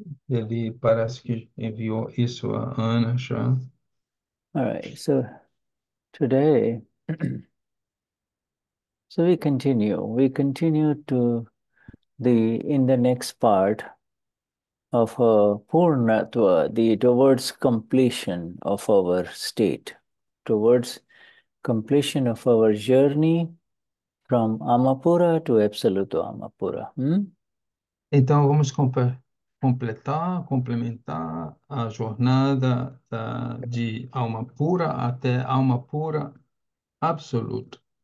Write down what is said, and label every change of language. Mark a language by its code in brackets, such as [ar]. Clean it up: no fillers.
[pt] Ele parece que enviou isso à Ana já. [en] All right, so today, so we continue to in the next part of Purnatva, the towards completion of our state, towards completion of our journey from Amapura to Absoluto Amapura. [pt] Então, vamos complementar a jornada de alma pura até alma pura absoluta.